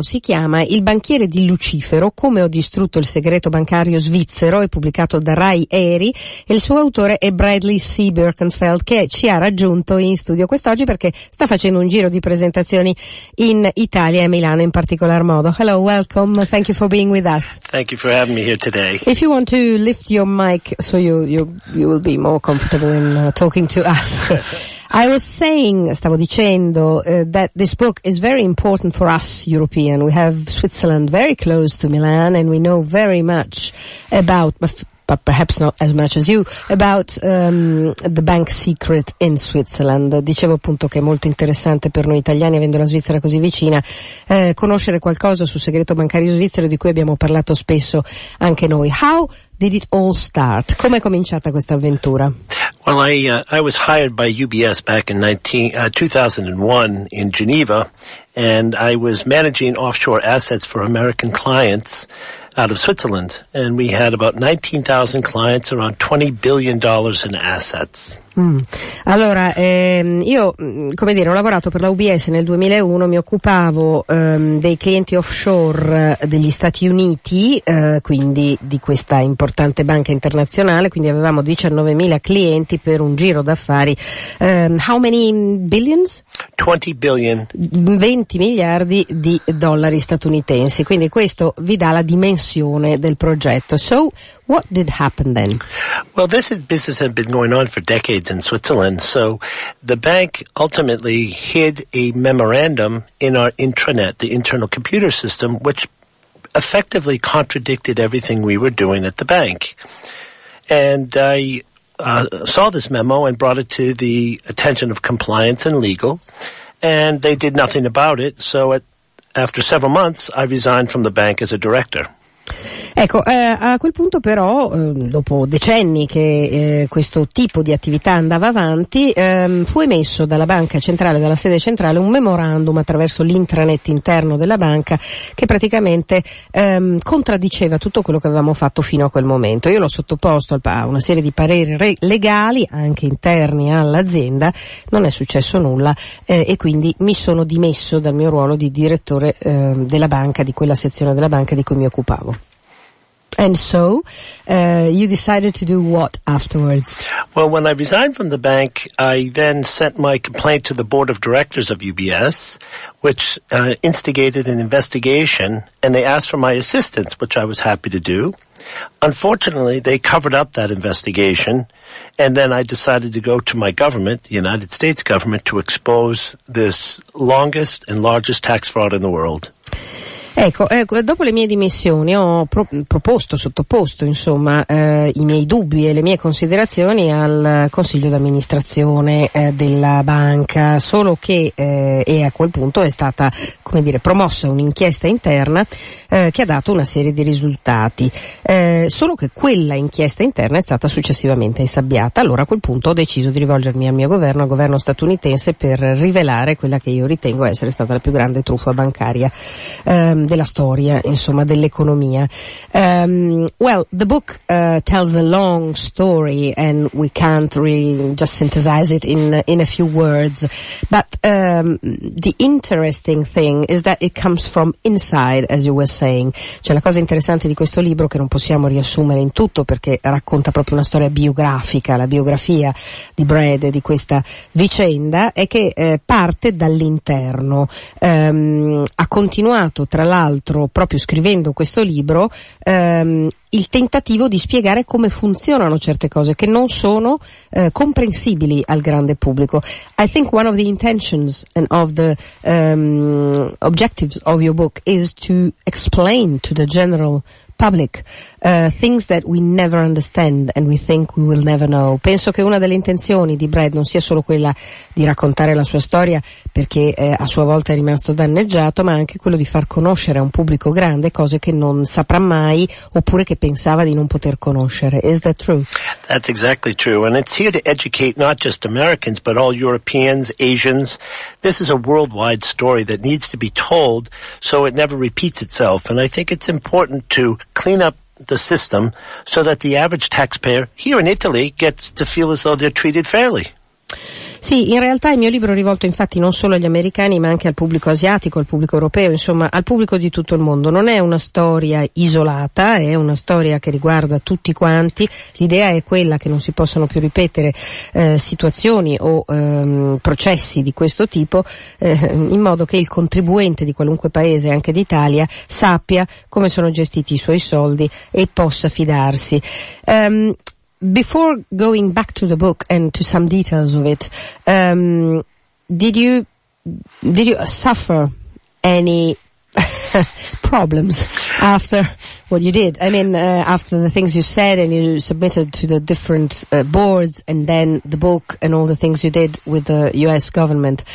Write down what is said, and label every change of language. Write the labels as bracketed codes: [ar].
[it] Si chiama Il banchiere di Lucifero, come ho distrutto il segreto bancario svizzero, è pubblicato da Rai Eri e il suo autore è Bradley C. Birkenfeld, che ci ha raggiunto in studio quest'oggi perché sta facendo un giro di presentazioni in Italia e Milano in particolar modo. [en] Hello, welcome, thank you for being with us. Thank you for having me here today. If you want to lift your mic so you will be more comfortable in talking to us. I was saying, [it] stavo dicendo, [en] that this book is very important for us European. We have Switzerland very close to Milan and we know very much about, but perhaps not as much as you, about the bank secret in Switzerland. [it] Dicevo appunto che è molto interessante per noi italiani, avendo la Svizzera così vicina, conoscere qualcosa sul segreto bancario svizzero di cui abbiamo parlato spesso anche noi. [en] How did it all start? [it] Come è cominciata questa avventura? [en] Well, I was hired by UBS back in 2001 in Geneva, and I was managing offshore assets for American clients out of Switzerland, and we had about 19,000 clients, around $20 billion in assets. [it] Allora, io, come dire, ho lavorato per la UBS nel 2001, mi occupavo dei clienti offshore degli Stati Uniti, quindi di questa importante banca internazionale, quindi avevamo 19,000 clienti per un giro d'affari. [en] How many billions? 20 billion. [it] 20 miliardi di dollari statunitensi, quindi questo vi dà la dimensione del progetto. [en] So, what did happen then? Well, this business had been going on for decades in Switzerland, so the bank ultimately hid a memorandum in our intranet, the internal computer system, which effectively contradicted everything we were doing at the bank. And I saw this memo and brought it to the attention of compliance and legal, and they did nothing about it, so after several months I resigned from the bank as a director. [it] Ecco, a quel punto però, dopo decenni che questo tipo di attività andava avanti, fu emesso dalla banca centrale, dalla sede centrale, un memorandum attraverso l'intranet interno della banca che praticamente contraddiceva tutto quello che avevamo fatto fino a quel momento. Io l'ho sottoposto a una serie di pareri legali, anche interni all'azienda, non è successo nulla e quindi mi sono dimesso dal mio ruolo di direttore della banca, di quella sezione della banca di cui mi occupavo. [en] And so, you decided to do what afterwards? Well, when I resigned from the bank, I then sent my complaint to the board of directors of UBS, which instigated an investigation, and they asked for my assistance, which I was happy to do. Unfortunately, they covered up that investigation, and then I decided to go to my government, the United States government, to expose this longest and largest tax fraud in the world. [it] Ecco, dopo le mie dimissioni ho sottoposto insomma i miei dubbi e le mie considerazioni al consiglio d'amministrazione della banca, solo che e a quel punto è stata, come dire, promossa un'inchiesta interna che ha dato una serie di risultati, solo che quella inchiesta interna è stata successivamente insabbiata. Allora a quel punto ho deciso di rivolgermi al mio governo, al governo statunitense, per rivelare quella che io ritengo essere stata la più grande truffa bancaria della storia, insomma, dell'economia. [en] Well, the book tells a long story and we can't really just synthesize it in a few words, but the interesting thing is that it comes from inside, as you were saying. [it] Cioè, la cosa interessante di questo libro, che non possiamo riassumere in tutto perché racconta proprio una storia biografica, la biografia di Brad e di questa vicenda, è che parte dall'interno. Ha continuato, tra l'altro, proprio scrivendo questo libro, il tentativo di spiegare come funzionano certe cose che non sono comprensibili al grande pubblico. [en] I think one of the intentions and of the objectives of your book is to explain to the general public things that we never understand and we think we will never know. [it] Penso che una delle intenzioni di Brad non sia solo quella di raccontare la sua storia perché a sua volta è rimasto danneggiato, ma anche quello di far conoscere a un pubblico grande cose che non saprà mai oppure che pensava di non poter conoscere. [en] Is that true? That's exactly true, and it's here to educate not just Americans but all Europeans, Asians. This is a worldwide story that needs to be told so it never repeats itself, and I think it's important to clean up the system so that the average taxpayer here in Italy gets to feel as though they're treated fairly. [it] Sì, in realtà il mio libro è rivolto infatti non solo agli americani ma anche al pubblico asiatico, al pubblico europeo, insomma al pubblico di tutto il mondo. Non è una storia isolata, è una storia che riguarda tutti quanti. L'idea è quella che non si possano più ripetere situazioni o processi di questo tipo, in modo che il contribuente di qualunque paese, anche d'Italia, sappia come sono gestiti i suoi soldi e possa fidarsi. [en] Before going back to the book and to some details of it, did you suffer any problems after what you did? I mean, after the things you said and you submitted to the different boards and then the book and all the things you did with the US government.